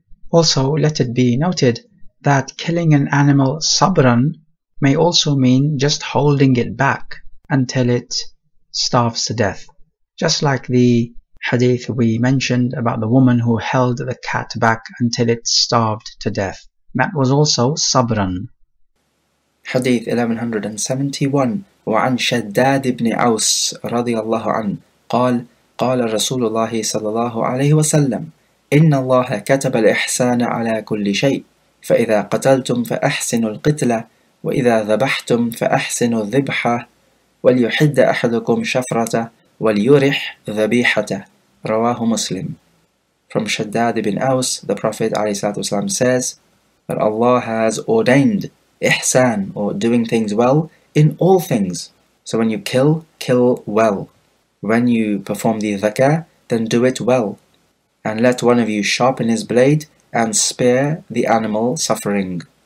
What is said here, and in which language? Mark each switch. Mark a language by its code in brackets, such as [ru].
[en] Also, let it be noted that killing an animal sabran may also mean just holding it back until it starves to death. Just like the hadith we mentioned about the woman who held the cat back until it starved to death. That was also sabran. Hadith 1171. [ar] وعن شداد بن عوس رضي الله عنه قال قال رسول الله صلى الله عليه وسلم إن الله كتب الإحسان على كل شيء فإذا قتلتم فأحسنوا القتلة وإذا ذبحتم فأحسنوا الذبحة وليحد أحدكم شفرته وليرح ذبيحته رواه مسلم. [en] From Shaddad ibn Aws, the Prophet ﷺ says that Allah has ordained ihsan, or doing things well, in all things. So when you kill, kill well. When you perform the zakah, then do it well. And let one of you sharpen his blade and spare the animal suffering.